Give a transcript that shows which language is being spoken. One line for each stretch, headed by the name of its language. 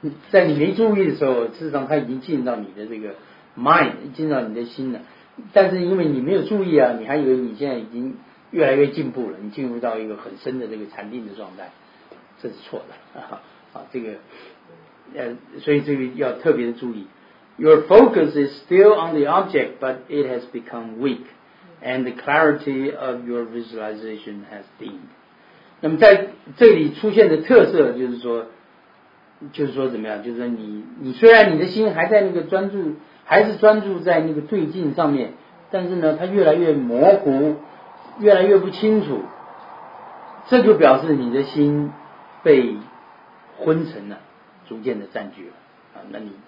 Chinese: 在你没注意的时候，事实上它已经进到你的这个 mind, 进到你的心了。但是因为你没有注意啊，你还以为你现在已经越来越进步了，你进入到一个很深的这个禅定的状态，这是错的。这个所以这个要特别的注意。
English: Your focus is still on the object, but it has become weak, and the clarity of your visualization has dimmed.
Chinese: 那么在这里出现的特色就是说怎么样？就是说你虽然你的心还在那个专注，还是专注在那个对境上面，但是呢，它越来越模糊，越来越不清楚。这就表示你的心被昏沉了，逐渐的占据了啊。